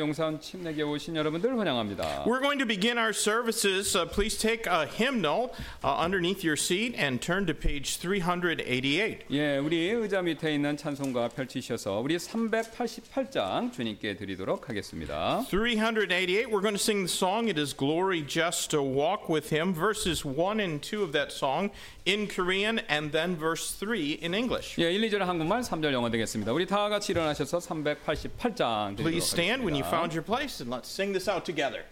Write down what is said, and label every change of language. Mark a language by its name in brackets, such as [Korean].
[Korean] 용산 침례교회 오신 여러분들 환영합니다. [English] We're going to begin our services. Please take a hymnal underneath your seat and turn to page 388. [Korean] 예, 우리 의자 밑에 있는 찬송가 펼치셔서 우리 388장 주님께 드리도록 하겠습니다. 388. [English] We're going to sing the song "It Is Glory Just to Walk with Him." Verses 1 and 2 of that song in Korean, and then verse 3 in English. [Korean] 예, 1, 2절 한국말, 3절 영어 되겠습니다. 우리 다 같이 일어나셔서 388장 [English] Please stand when you found your place and let's sing this out together.